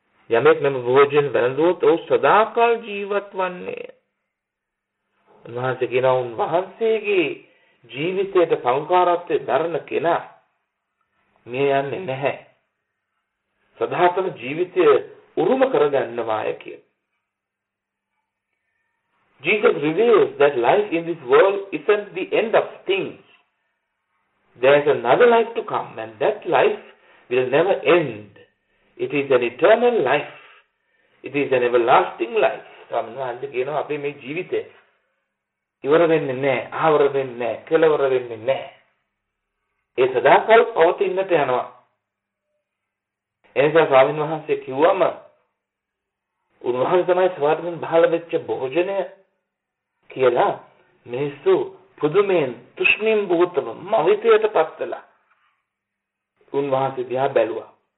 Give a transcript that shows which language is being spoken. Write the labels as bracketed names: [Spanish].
[Sinhala] යමෙක් මෙම භෝජන වැළඳුවොත් ඔහු සදාකල් ජීවත් වන්නේ. උන්වහන්සේ කියනවා, උන්වහන්සේගේ ජීවිතයට සංකාරත්වය දරන කෙනා මිය යන්නේ නැහැ. සදාතන ජීවිතය උරුම කරගන්නවාය කිය. [English] Jesus reveals that life in this world isn't the end of things. There's another life to come and that life will never end. It is an eternal life. It is an everlasting life. [Sinhala] ස්වාමීන් වහන්සේ කියනවා, අපි මේ ජීවිතේ ඉවර වෙන්නේ නැහැ, ආවර වෙන්නේ නැහැ, කෙලවර වෙන්නේ නැහැ. ඒ සදාකල් පවතිනට යනවා. එනිසා ස්වාමීන් වහන්සේ කිව්වම උන්වහන්සේ තමයි ස්වර්ගෙන් බහල වෙච්ච භෝජනය කියලා මිනිස්සු පුදුමයෙන් තුෂ්ණිම් භූතව මවිතයට පත්වෙලා උන්වහන්සේ දිහා බැලුවා.